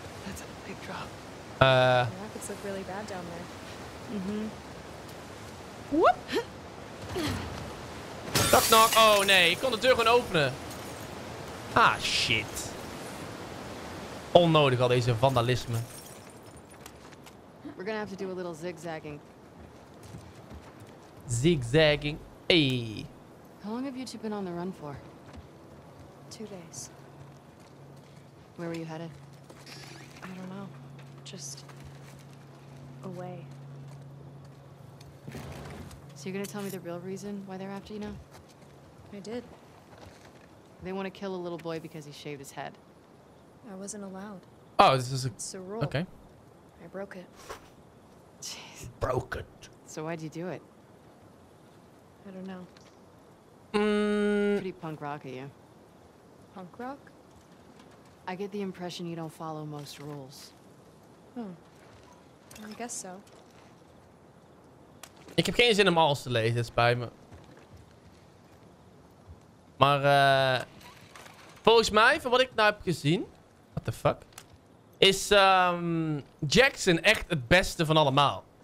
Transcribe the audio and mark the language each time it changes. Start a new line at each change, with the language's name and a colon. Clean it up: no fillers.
English: It's look really bad down there. Mm-hmm. Whoop. Knock knock.
Dutch: Oh nee, ik kon de deur gewoon openen. Ah shit. Onnodig al deze vandalisme.
English: We're gonna have to do a little zigzagging. Zigzagging. Hey. How long have you two been on the run for? 2 days. Where were you headed? I don't know. Just away. So you're gonna tell me the real reason why they're after you now? I did. They want to kill a little boy because he shaved his head. I wasn't allowed. Oh, this is a... It's a rule. Okay. I broke it. Jeez. Broke it. So why'd you do it? I don't know. Pretty punk rock of you. Punk rock? I get the impression you don't follow most rules. Hmm. I guess so.
Dutch: Ik heb geen zin om alles te lezen, het spijt me. Maar volgens mij, van wat ik nou heb gezien,
English: what the fuck,
Dutch: is Jackson echt het beste van allemaal.